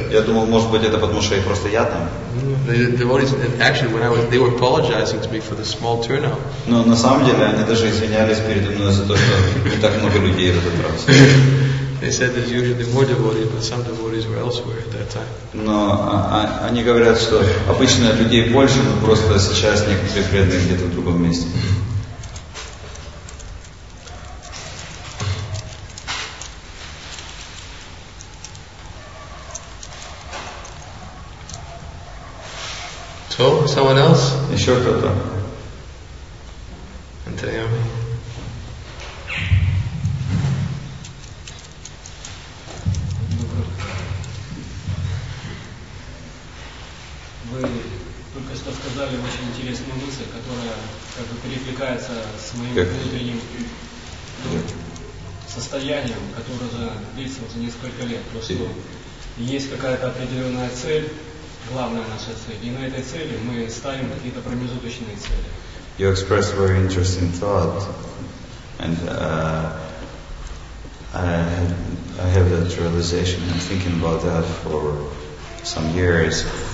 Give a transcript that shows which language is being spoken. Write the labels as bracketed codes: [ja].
[ru] Я думал, может быть, это потому что просто я там. [en] They were apologizing to me for the small turnout. [ru] Но на самом деле они даже извинялись передо мной за то, что не так много людей в этот раз. [en] They said there's usually more devotees, but some devotees were elsewhere at that time. [ru] Но они говорят, что обычно людей больше, но просто сейчас некоторые преданные где-то в другом месте. [en] So, someone else? [ru] Еще кто-то? Антонио. Вы только что сказали очень интересную мысль, которая как бы перекликается с моим внутренним состоянием, которое длится уже несколько лет. Просто есть какая-то определенная цель, главная наша цель. И на этой цели мы ставим какие-то промежуточные цели. [en] You expressed a very interesting thought, and I have that realization. I'm thinking about that for some years.